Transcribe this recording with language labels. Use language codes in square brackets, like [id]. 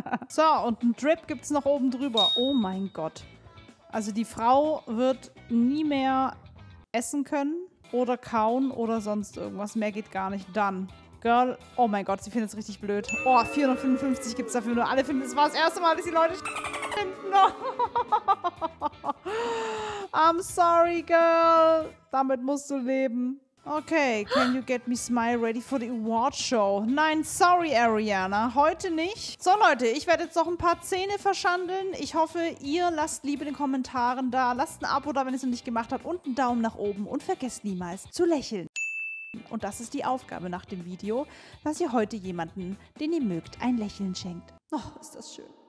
[de] So, und ein Drip gibt es noch oben drüber. Oh mein Gott. Also die Frau wird nie mehr essen können. Oder kauen oder sonst irgendwas. Mehr geht gar nicht. Dann. Girl, oh mein Gott, sie findet es richtig blöd. Oh, 455 gibt es dafür nur. Alle finden, es war das erste Mal, dass die Leute finden. [en] I'm sorry, [de] Girl. Damit musst du leben. [en] Okay, can you get me smile ready for the award show? [de] Nein, sorry, Ariana. Heute nicht. So, Leute, ich werde jetzt noch ein paar Zähne verschandeln. Ich hoffe, ihr lasst Liebe in den Kommentaren da. Lasst ein Abo da, wenn ihr es noch nicht gemacht habt. Und einen Daumen nach oben. Und vergesst niemals zu lächeln. Und das ist die Aufgabe nach dem Video, dass ihr heute jemanden, den ihr mögt, ein Lächeln schenkt. Oh, ist das schön.